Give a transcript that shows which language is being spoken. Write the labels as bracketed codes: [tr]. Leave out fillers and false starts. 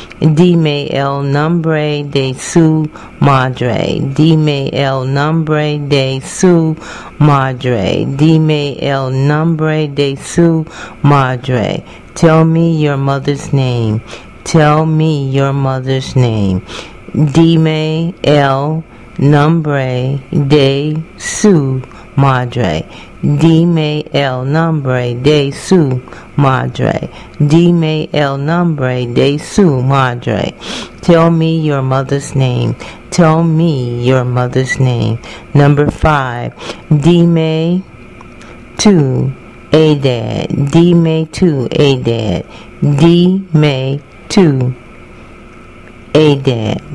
[es] Dime el nombre de su madre. Dime el nombre de su madre. Dime el nombre de su madre. [en] Tell me your mother's name. Tell me your mother's name. [es] Dime el nombre de su madre. Dime el nombre de su madre. Dime el nombre de su madre. [en] Tell me your mother's name. Tell me your mother's name. Number five. [es] Dime tu edad. Dime tu edad. Dime tu edad.